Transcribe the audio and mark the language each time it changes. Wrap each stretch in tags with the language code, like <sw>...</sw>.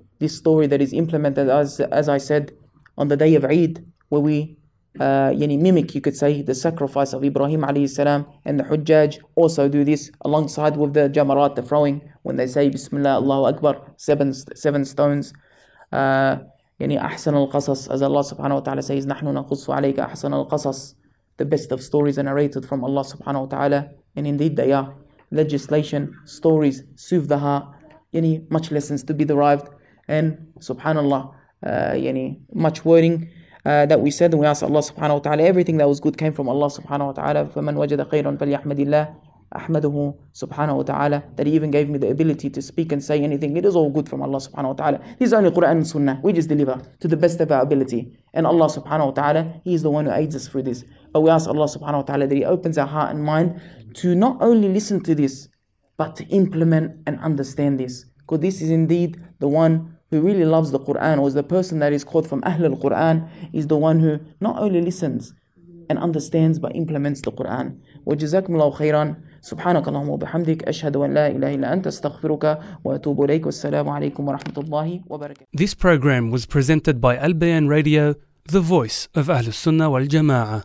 <en>This story that is implemented, as I said, on the day of Eid, where we mimic, you could say, the sacrifice of Ibrahim alayhi salam, and the Hujjaj also do this alongside with the Jamarat, the throwing, when they say Bismillah, Allahu Akbar, seven stones.</en> <ar>يعني أحسن القصص,</ar> <en>as Allah subhanahu wa ta'ala says,</en> <ar>نحن نقص عليك أحسن القصص.</ar> <en>The best of stories are narrated from Allah subhanahu wa ta'ala. And indeed they are. Legislation, stories, soothe the heart. يعني much lessons to be derived. And subhanallah, يعني much wording that we said. And we ask Allah subhanahu wa ta'ala, everything that was good came from Allah subhanahu wa ta'ala.</en> <ar>فمن وجد خيرا فليحمد الله. أحمده سبحانه وتعالى,</ar> <en>that he even gave me the ability to speak and say anything. It is all good from Allah subhanahu wa ta'ala. This is only Quran and Sunnah. We just deliver to the best of our ability. And Allah subhanahu wa ta'ala, he is the one who aids us through this. But we ask Allah subhanahu wa ta'ala that he opens our heart and mind to not only listen to this, but to implement and understand this. Because this is indeed the one who really loves the Quran, or is the person that is called from Ahl al-Quran, is the one who not only listens and understands, but implements the Quran.</en> <ar>وجزاكم الله خيرا. سبحانك اللهم وبحمدك أشهد أن لا إله إلا أنت استغفرك وأتوب إليك. والسلام عليكم ورحمة الله وبركاته.</ar> <en>This program was presented by Al Bayan Radio, the voice of Ahl Sunnah wal Jama'ah.</en>